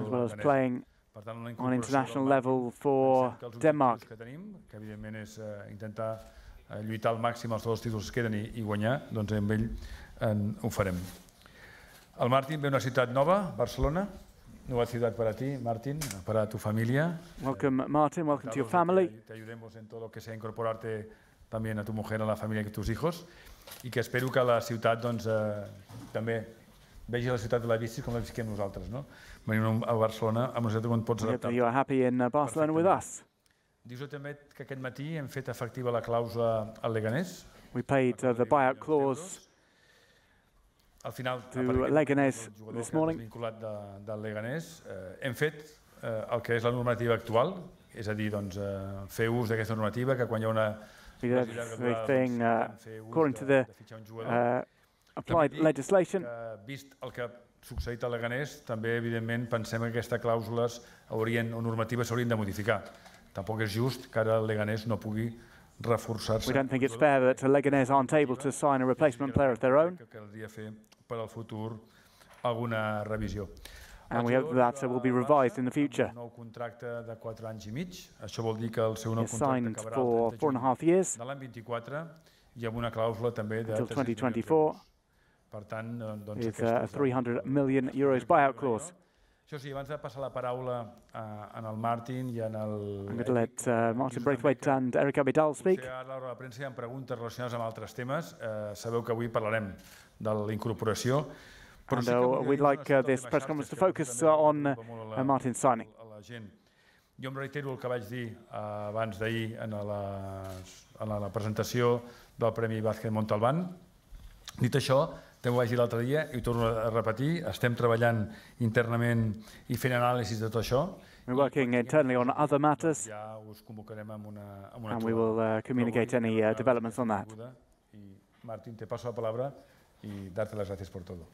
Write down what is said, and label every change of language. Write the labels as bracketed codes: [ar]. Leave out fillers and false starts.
[en] As well as playing on international level for Denmark. [ca] Que tenim, que evidentment és intentar lluitar al màxim els dos títols que queden I guanyar, doncs amb ell ho farem. El Martin ve d'una ciutat nova, Barcelona. Nova ciutat per a ti, Martin, per a tu família. [en] Welcome, Martin, welcome to your family. [es] Te ayudemos en todo lo que sea incorporarte también a tu mujer, a la familia y a tus hijos. [ca] I que espero que la ciutat, doncs, també vegi la ciutat de la bici com la visquem nosaltres, no? Venim a Barcelona, amb una ciutat on pots adaptar-te. [en] You are happy in Barcelona with us. [ca] Dius-ho també que aquest matí hem fet efectiva la clàusula al Leganés. [en] We paid the buyout clause. [ca] Al final, [en] to Leganés this morning. [ca] Vinculat de Leganés, hem fet el que és la normativa actual, és a dir, doncs, fer ús d'aquesta normativa que quan hi ha una [en] according to the applied legislation, [ca] vist el que ha succeït a Leganés, també evidentment pensem que aquestes clàusules haurien o normatives s'haurien de modificar. Tampoc és just que ara el Leganés no pugui reforçar-se. [en] We don't think it's fair that Leganés aren't able to sign a replacement player of their own. [ca] Per al futur alguna revisió. [en] And we hope that will be revised in the future. [ca] Nou contracte de 4 anys I mig. Això vol dir que el seu nou contracte acabarà el [en] 4.5 years. [ca] De l'any 24 hi ha una clàusula també de [en] 2024. [ca] Per tant, doncs [en] aquesta 300 million euros buyout clause. [ca] Josie, abans de passar la paraula en el Martin I en el... [en] I'm going to let Martin Braithwaite and Eric Abidal speak. [ca] Sí, ara la premsa hi ha preguntes relacionades amb altres temes. Sabeu que avui parlarem de la incorporació. [en] Però and we'd like this press conference to focus on Martin's signing. [ca] La gent. Jo em reitero el que vaig dir abans d'ahir en la presentació del Premi Vázquez Montalbán. Dit això, també ho vaig dir l'altre dia I ho torno a repetir, estem treballant internament I fent anàlisis de tot això. [en] We're working internally on other matters. [ca] Ja us convocarem amb una [en] And we will communicate any developments on that. [es] I Martín, te paso la palabra y darte las gracias por todo.